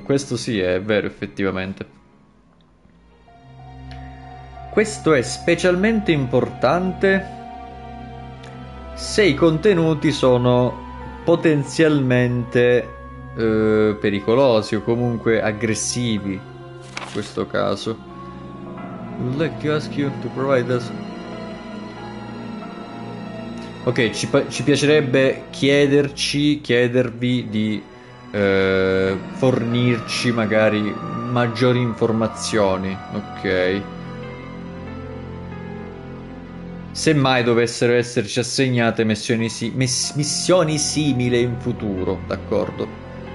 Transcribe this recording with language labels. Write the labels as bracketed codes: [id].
[it] Questo sì, è vero, effettivamente. Questo è specialmente importante se i contenuti sono potenzialmente pericolosi o comunque aggressivi. In questo caso, [en] would like to ask you to provide us. [it] Ok, ci piacerebbe chiedervi di fornirci magari maggiori informazioni, ok? Semmai dovessero esserci assegnate missioni simili in futuro, d'accordo?